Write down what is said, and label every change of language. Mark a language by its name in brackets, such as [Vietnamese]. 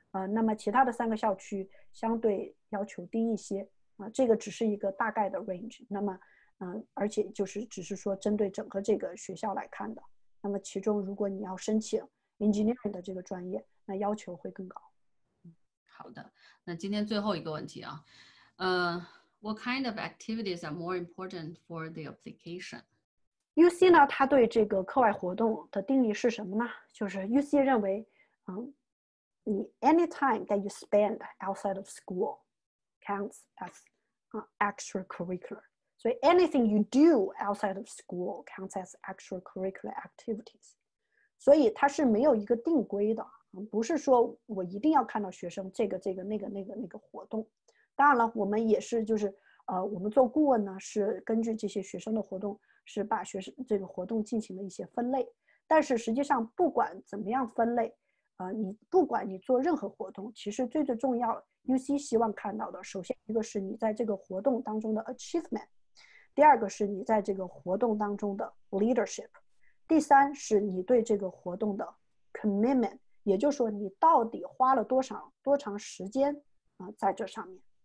[Chinese] 那么其他的三个校区相对要求低一些啊，这个只是一个大概的 range。那么而且就是只是说针对整个这个学校来看的。那么其中如果你要申请 engineering 的这个专业，那要求会更高。好的，那今天最后一个问题啊， [English] What kind of activities are more important for the application? [Chinese] UC 呢，他对这个课外活动的定义是什么呢？就是 UC 认为，你 [English] any time that you spend outside of school counts as extracurricular. [Chinese] 所以 [English] anything you do outside of school counts as extracurricular activities. [Chinese] 所以它是没有一个定规的，不是说我一定要看到学生这个活动。当然了，我们也是就是我们做顾问呢，是根据这些学生的活动，是把学生这个活动进行了一些分类。但是实际上不管怎么样分类，你不管你做任何活动，其实最重要 UC 希望看到的，首先一个是你在这个活动当中的 achievement， 第二个是你在这个活动当中的 leadership， 第三是你对这个活动的 commitment， 也就是说你到底花了多长时间在这上面。